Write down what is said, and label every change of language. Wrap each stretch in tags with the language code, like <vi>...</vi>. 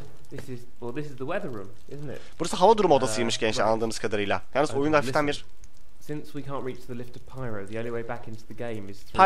<en>This is the weather room, isn't it?</en> <tr>Burası hava durumu odasıymış gençler anladığımız kadarıyla. Yalnız oyunda hafiften bir...</tr> <en>Since we can't reach the lift of Pyro, the only way back into the game is through...</en>